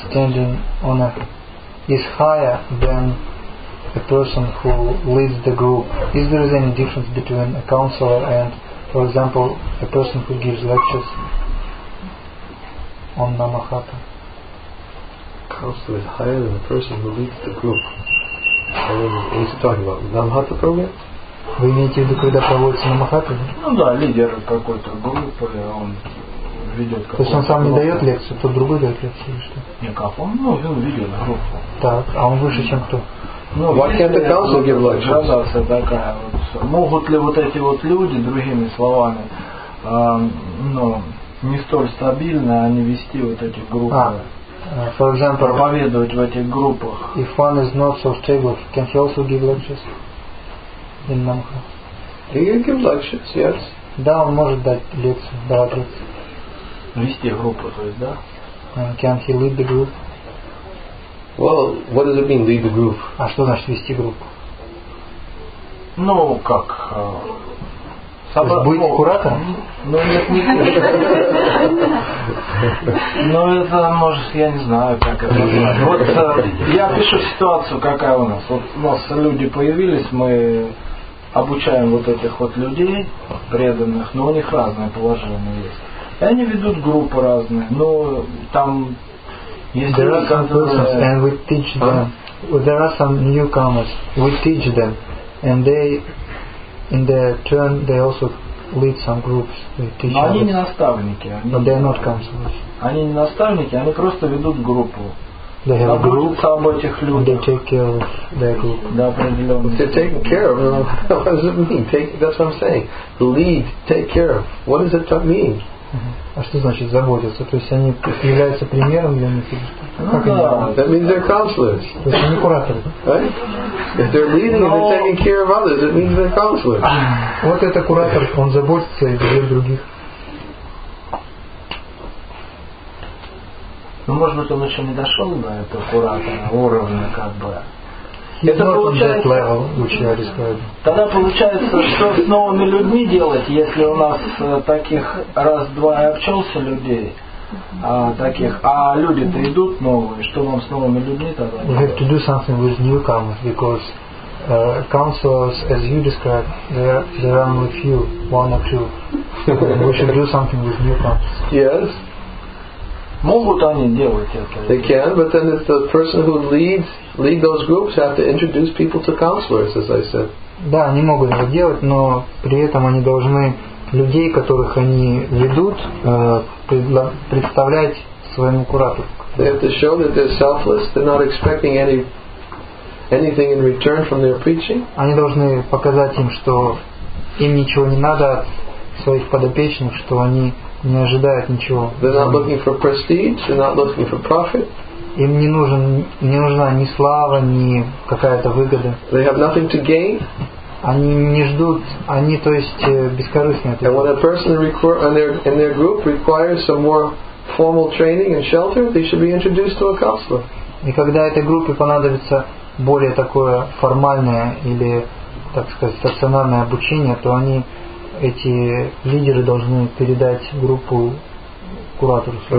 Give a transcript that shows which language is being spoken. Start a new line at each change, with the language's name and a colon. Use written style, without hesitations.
English: Standing on a, is higher than a person who leads the group. Is there any difference between a counselor and, for example, a person who gives lectures on Namahata? Counselor is higher than the person who leads the group. What is he talking about? Namahata program?
Russian: Вы имеете в виду, когда проводится Намахата? Ну да, лидер какой-то группы, он ведет какую-то. То есть он сам не дает лекцию, тот другой дает лекцию или что? Не, как он, ну, он ведет группу. Так, а он выше, чем кто? Ну, градация такая вот. Могут ли вот эти вот люди, другими словами, ну, не столь стабильно, они вести вот эти группы?
English: For example,
Russian: проповедовать в этих группах.
English: If one is not so stable, can he also give lectures? In Namaha. He can give lectures, yes.
Russian: Да, он может дать лекцию, давать лекцию. Вести группу, то есть, да?
English: Can he lead the group? Well, what does it mean, lead the group?
Russian: А что значит вести группу? Ну, как? Будете куратором? Ну, нет, не ну, это, может, я не знаю, как это назвать. Вот я пишу ситуацию, какая у нас. Вот у нас люди появились, мы обучаем вот этих вот людей преданных, но у них разное положение есть. И они ведут группы разные, но там есть
English: There are some persons, and we teach them. There are some newcomers. We teach them, and they, in their turn, they also lead some groups. They teach.
Russian: Но они не наставники.
English: But they are not counselors.
Russian: Они не наставники, они просто ведут группу.
English: They have a group. Some of
Russian: этих людей.
English: They take care of their group.
Russian: Да, определенно.
English: They take care of. What does it mean? Take. That's what I'm saying. Lead. Take care of. What does it mean?
Russian: А что значит заботиться? То есть они являются примером для них? Ну, как да.
English: That means they're counselors.
Russian: То есть они кураторы.
English: Right? If they're leading and they're taking care of others, it means they're counselors.
Russian: Вот это куратор, он заботится и берет других. Ну, может быть, он еще не дошел до этого куратора уровня, как бы. Это получается, тогда получается, что с новыми людьми делать, если у нас таких раз-два и обчелся людей, таких, а люди-то идут новые, что нам с новыми людьми тогда?
English: You have to do something with newcomers, because counselors, as you described, there are only few, one or two. We should do something with newcomers. Yes.
Russian: Могут они делать это?
English: They can, but then if the person who leads those groups have to introduce people to counselors, as I said.
Russian: Да, они могут это делать, но при этом они должны людей, которых они ведут, представлять своему куратору.
English: They have to show that they're selfless. They're not expecting anything in return from their preaching.
Russian: Они должны показать им, что им ничего не надо от своих подопечных, что они не ожидают ничего.
English: They're not looking for prestige, they're not looking for profit.
Russian: Им не нужна ни слава, ни какая-то выгода.
English: They have nothing to gain.
Russian: Они не ждут, они, то есть, бескорыстные.
English: And when a person in their group requires some more formal training and shelter, they should be introduced to a counselor.
Russian: И когда этой группе понадобится более такое формальное или, так сказать, стационарное обучение, то они эти лидеры должны передать группу куратору.